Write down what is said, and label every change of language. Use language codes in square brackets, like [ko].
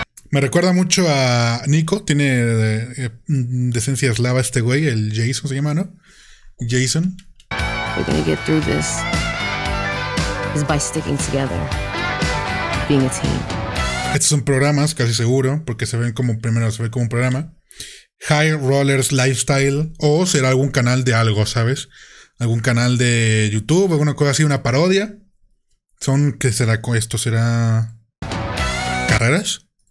[es] Me recuerda mucho a Nico. Tiene de esencia eslava este güey. El Jason se llama, ¿no? Jason. [en] We're gonna get through this. Is by sticking together, being a team. [es] Estos son programas, casi seguro, porque se ven como un programa. High Rollers Lifestyle, o será algún canal de algo, ¿sabes? Algún canal de YouTube, alguna cosa así, una parodia. Son, ¿qué será? ¿Esto será carreras?